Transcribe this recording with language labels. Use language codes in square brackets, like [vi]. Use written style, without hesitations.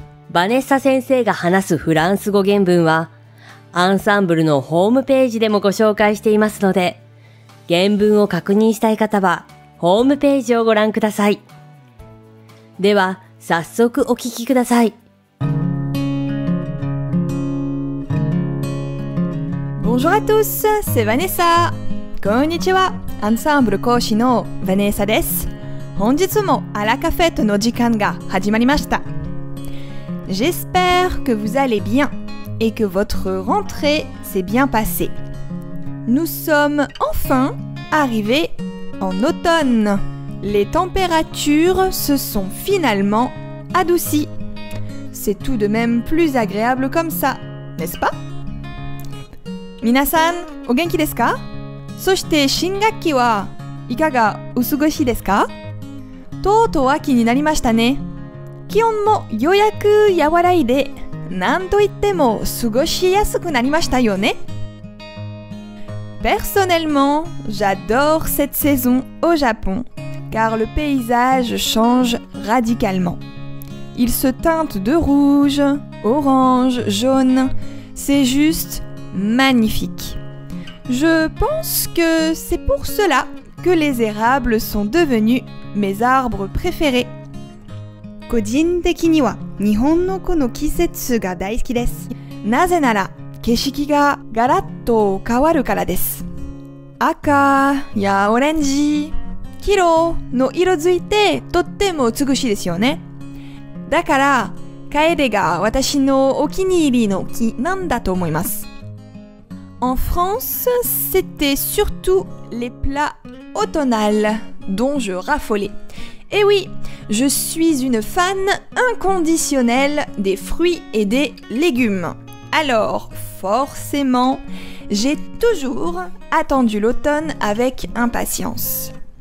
[ja] バネッサ先生が話すフランス語原文はアンサンブルのホームページでもご紹介していますので、原文を確認したい方はホームページをご覧ください。では早速お聞きください。 [fr] Bonjour à tous, c'est Vanessa. [ja] こんにちは、アンサンブル講師のバネッサです。本日もアラカフェットの時間が始まりました。 [fr] J'espère que vous allez bien et que votre rentrée s'est bien passée. Nous sommes enfin arrivés en automne. Les températures se sont finalement adoucies. C'est tout de même plus agréable comme ça, n'est-ce pas? [ja] 皆さん、お元気ですか？そして新学期はいかがお過ごしですか？とうとう秋になりましたね。気温もようやく和らいで、なんといっても過ごしやすくなりましたよね。 [fr] Personnellement, j'adore cette saison au Japon, car le paysage change radicalement. Il se teinte de rouge, orange, jaune, c'est juste magnifique. Je pense que c'est pour cela que les érables sont devenus mes arbres préférés. [ja] 個人的には日本のこの季節が大好きです。なぜなら景色がガラッと変わるからです。赤やオレンジ、黄色の色づいてとっても美しいですよね。だからカエデが私のお気に入りの木なんだと思います。 [fr] En France, c'était surtout les plats automnales dont je raffolais. Eh oui, je suis une fan inconditionnelle des fruits et des légumes. Alors, forcément, j'ai toujours attendu l'automne avec impatience.